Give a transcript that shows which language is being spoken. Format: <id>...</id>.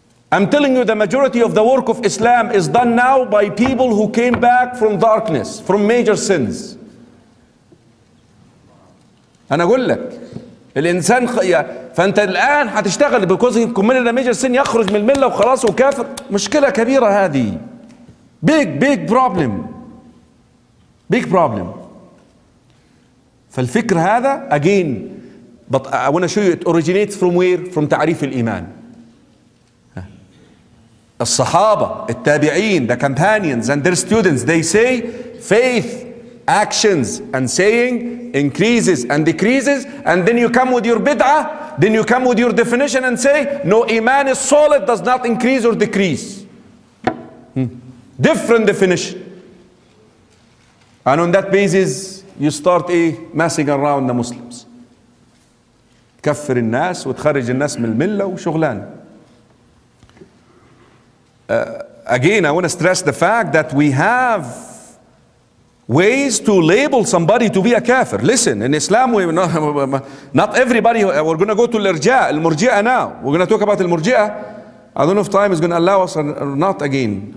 <en>I'm telling you, the majority of the work of Islam is done now by people who came back from darkness, from major sins.</en> <ar>أنا أقول لك الإنسان فأنت الآن هتشتغل</ar> <en>because he committed a major sin,</en> <ar>يخرج من الملة وخلاص وكافر, مشكلة كبيرة هذه,</ar> <en>big problem. Big problem.</en> <ar>فالفكر هذا</ar> <en>again, but I want to show you it originates from where? From</en> <ar>تعريف الإيمان. الصحابة, التابعين,</ar> <en>the companions and their students, they say faith, actions and saying increases and decreases, and then you come with your bid'ah, then you come with your definition and say no, iman is solid, does not increase or decrease. Different definition. And on that basis, you start messing around the Muslims.</en> <ar>تكفر الناس وتخرج الناس من الملة وشغلان.</ar> <en>Again, I want to stress the fact that we have ways to label somebody to be a kafir. Listen, in Islam, not everybody, we're going to go to al-irja', al-murji'ah now. We're going to talk about al-murji'ah. I don't know if time is going to allow us or not again.</en>